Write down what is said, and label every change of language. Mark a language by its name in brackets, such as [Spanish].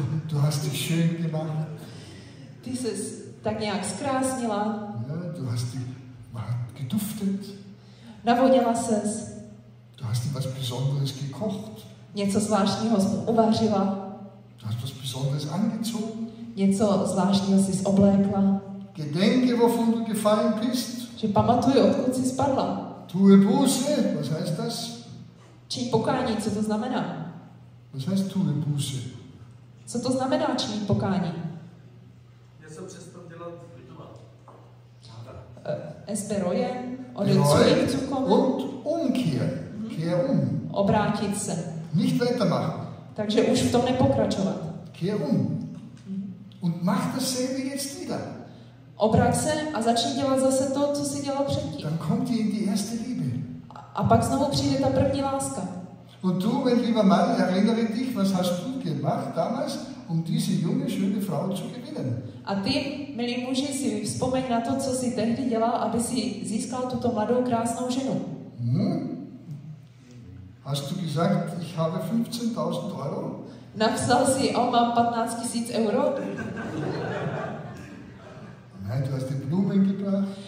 [German] Du hast dich schön gemacht. [Czech] Ty jsi tak nějak zkrásnila. [German] Ja, du hast dich geduftet. [Czech] Navonila ses. [German] Du hast dir was Besonderes gekocht. [Czech] Něco zvláštního uvařila. [German] Du hast was Besonderes angezogen. [Czech] Něco zvláštního jsi oblékla. [German] Gedenke, wovon du gefallen bist. [Czech] Že pamatuj, odkud jsi spadla. [German] Tue Buße, was heißt das? [Czech] Čin pokání, co to znamená? [German] Was heißt tue Buße? [Czech] Co to znamená čin pokání? Něco přestat dělat litovat. Esperojen, odecujem cukom. [German] Und umkehr, kehr um. [Czech] Obrátit se. [German] Nicht weitermachen. [Czech] Takže už v tom nepokračovat. [German] Kehr um. Und mach dasselbe jetzt wieder. [Czech] Obrať se a začni dělat zase to, co jsi dělal předtím. [German] Dann kommt die in die erste Liebe. [Czech] A pak znovu přijde ta první láska. [German] Und du, mein lieber Mann, erinnere dich, was hast du gemacht damals, um diese junge, schöne Frau zu gewinnen. [Czech] A ty, milý muži, si vzpomeň na to, co jsi tehdy dělal, aby si získal tuto mladou, krásnou ženu. [German] Hast du gesagt, ich habe 15.000 Euro? [Czech] Napsal jsi, mám 15 000 euro? [German] Nein, du hast die Blumen gebracht.